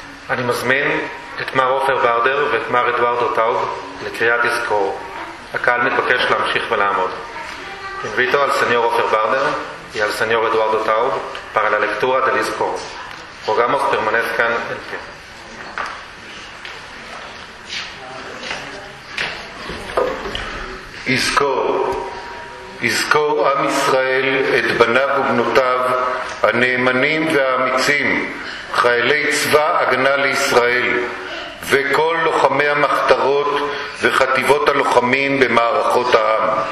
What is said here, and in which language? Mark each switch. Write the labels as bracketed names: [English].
[Hebrew] אני מזמין את מר אופר ורדר ואת מר אדוארדו טאוב לקריאת אזכור. הקהל מתבקש להמשיך ולעמוד. [Spanish] Invito al señor Ofer Barder y al señor Eduardo Taub para la lectura del אזכור. Rogamos permanezcan en pie. [Hebrew] אזכור. אזכור עם ישראל את בניו ובנותיו הנאמנים והאמיצים, חיילי צבא הגנה לישראל וכל לוחמי המחתרות וחטיבות הלוחמים במערכות העם